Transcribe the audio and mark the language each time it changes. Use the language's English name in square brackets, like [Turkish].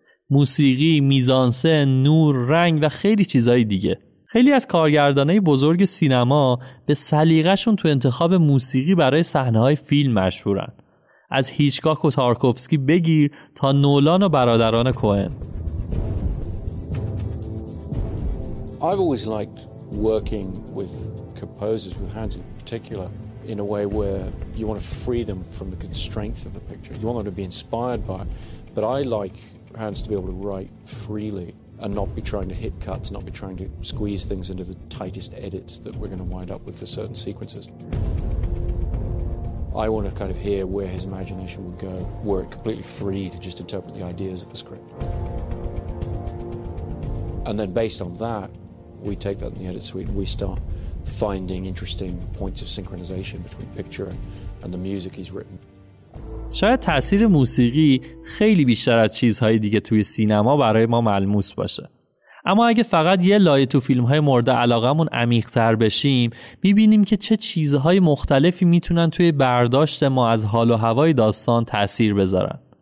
[Persian] موسیقی، میزانسن، نور، رنگ و خیلی چیزای دیگه. خیلی از کارگردانای بزرگ سینما به سلیقه‌شون تو انتخاب موسیقی برای صحنه‌های فیلم مشهورن. از هیچکاک و تارکوفسکی بگیر تا نولان و برادران کوهن. [English] I've always liked working with composers, with Hans in particular, in a way where you want to free them from the constraints of the picture. You want them to be inspired by it. But I like Hans to be able to write freely and not be trying to hit cuts, not be trying to squeeze things into the tightest edits that we're going to wind up with for certain sequences. I want to kind of hear where his imagination would go, were it completely free to just interpret the ideas of the script. And then based on that, we take that in the edit suite and we start finding interesting points of synchronization between picture and the music he's written. [Persian] شاید تأثیر موسیقی خیلی بیشتر از چیزهای دیگه توی سینما برای ما ملموس باشه. اما اگه فقط یه لایه تو فیلم‌های مورد علاقمون عمیق‌تر بشیم، می‌بینیم که چه چیزهای مختلفی میتونن توی برداشت ما از حال و هوای داستان تأثیر بذارن.